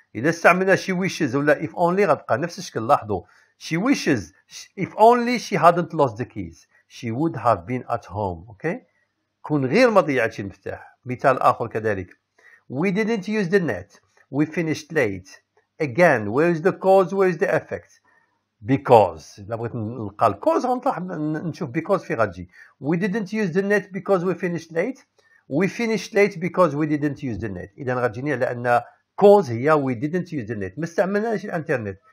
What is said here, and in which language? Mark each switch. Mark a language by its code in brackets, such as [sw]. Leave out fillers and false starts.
[ar] إذا استعملنا she wishes ولا if only غتبقى نفس الشكل. لاحظوا [en] she wishes, if only she hadn't lost the keys, she would have been at home. [ar] Okay, كون غير ما ضيعتش المفتاح. مثال آخر كذلك, [en] we didn't use the net, we finished late. Again, where is the cause, where is the effect? [ar] Because, لابغيت نلقى ال cause غنطلع نشوف because في غادي. [en] We didn't use the net because we finished late, we finished late because we didn't use the net. [ar] إذا غاتجيني على أن cause هي [en] we didn't use the net, [ar] ما استعملناش الانترنت.